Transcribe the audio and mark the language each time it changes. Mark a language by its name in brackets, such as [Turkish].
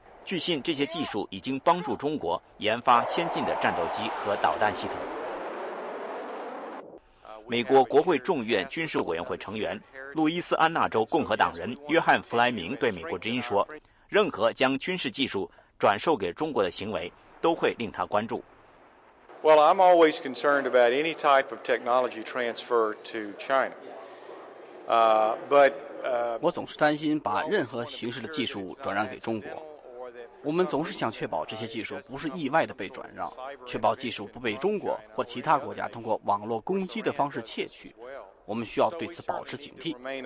[Chinese] 据信这些技术已经帮助中国研发先进的战斗机和导弹系统。美国国会众议院军事委员会成员、路易斯安那州共和党人约翰·弗莱明对美国之音说，任何将军事技术转售给中国的行为都会令他关注。 [English] Well, I'm always concerned about any type of technology transfer to China. But [Chinese] 我总是担心把任何形式的技术转让给中国。我们总是想确保这些技术不是意外的被转让，确保技术不被中国或其他国家通过网络攻击的方式窃取。我们需要对此保持警惕。